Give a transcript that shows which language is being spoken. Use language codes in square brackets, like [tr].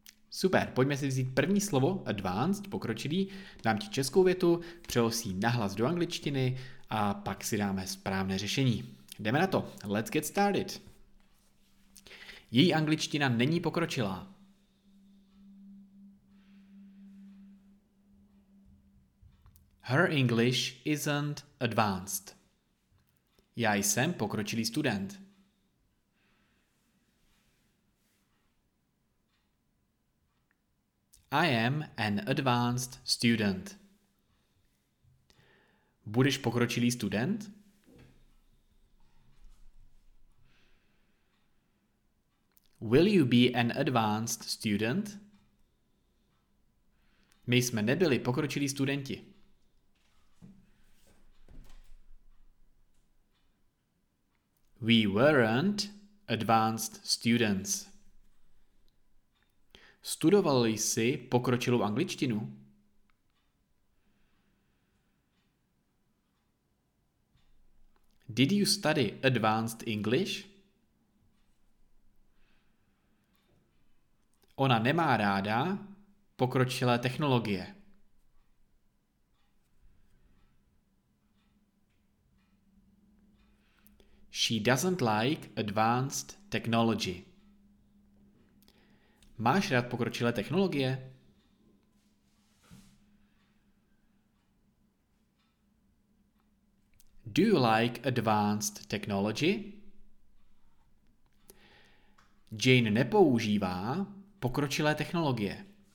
[cs] Super, pojďme si vzít první slovo, advanced, pokročilý, dám ti českou větu, přelosí nahlas do angličtiny a pak si dáme správné řešení. Jdeme na to, [en] let's get started. [cs] Její angličtina není pokročilá. [en] Her English isn't advanced. [cs] Já jsem pokročilý student. [en] I am an advanced student. [cs] Budeš pokročilý student? [en] Will you be an advanced student? [cs] My jsme nebyli pokročilí studenti. [en] We weren't advanced students. [cs] Studoval jsi pokročilou angličtinu? [en] Did you study advanced English? [cs] Ona nemá ráda pokročilé technologie. [en] She doesn't like advanced technology. [cs] Máš rád pokročilé technologie? [en] Do you like advanced technology? [cs] Jane nepoužívá pokročilé technologie.